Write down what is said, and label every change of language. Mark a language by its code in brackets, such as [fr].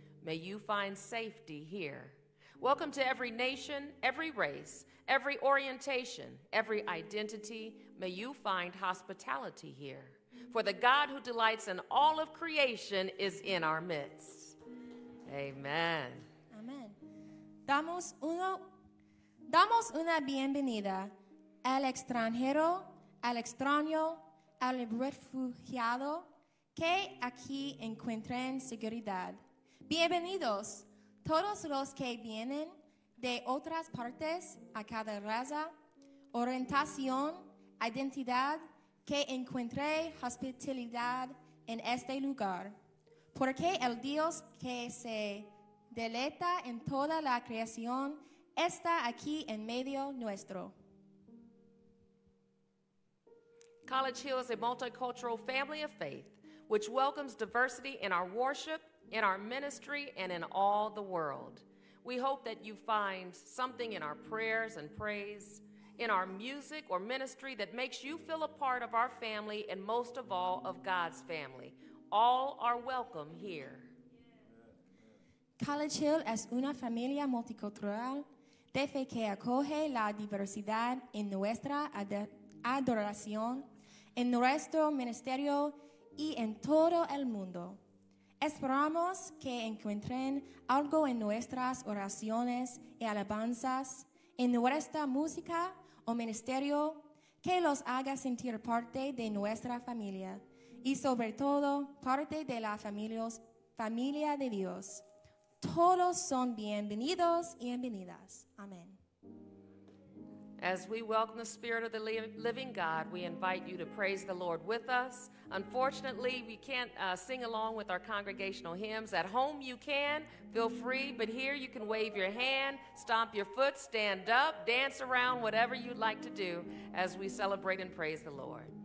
[en] May you find safety here. Welcome to every nation, every race, every orientation, every identity. May you find hospitality here. For the God who delights in all of creation is in our midst. Amen. Amen. [es] Damos una bienvenida al extranjero, al extraño, al refugiado, que aquí encuentren seguridad. Bienvenidos todos los que vienen de otras partes, a cada raza, orientación, identidad, que encuentre hospitalidad en este lugar. Porque el Dios que se deleita en toda la creación está aquí en medio nuestro. [en] College Hill is a multicultural family of faith, which welcomes diversity in our worship, in our ministry, and in all the world. We hope that you find something in our prayers and praise, in our music or ministry that makes you feel a part of our family and most of all of God's family. All are welcome here. [es] College Hill es una familia multicultural de fe que acoge la diversidad en nuestra adoración, en nuestro ministerio y en todo el mundo. Esperamos que encuentren algo en nuestras oraciones y alabanzas, en nuestra música o ministerio, que los haga sentir parte de nuestra familia y sobre todo parte de la familia de Dios. Todos son bienvenidos y bienvenidas. Amén. [en] As we welcome the Spirit of the living God, we invite you to praise the Lord with us. Unfortunately, we can't sing along with our congregational hymns. At home, you can. Feel free. But here, you can wave your hand, stomp your foot, stand up, dance around, whatever you'd like to do as we celebrate and praise the Lord.